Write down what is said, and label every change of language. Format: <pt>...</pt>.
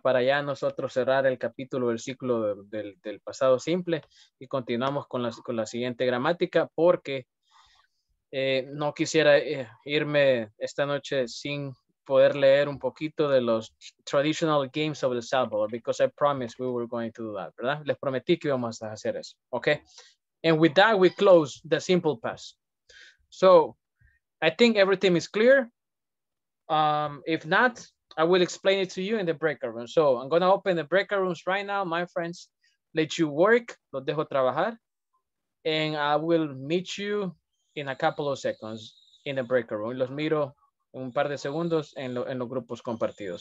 <es>Para ya nosotros cerrar el capítulo del ciclo del pasado simple y continuamos con la siguiente gramática, porque no quisiera irme esta noche sin poder leer un poquito de los</es> <en>traditional games of El Salvador, because I promised we were going to do that,</en> <es>¿verdad? Les prometí que íbamos a hacer eso, ¿ok?</es> <en>And with that, we close the simple past. So, I think everything is clear. If not, I will explain it to you in the breakout room. So, I'm going to open the breakout rooms right now, my friends. Let you work.</en> <es>Los dejo trabajar.</es> <en>And I will meet you in a couple of seconds in the breakout room.</en> <es>Los miro en un par de segundos en los grupos compartidos.</es>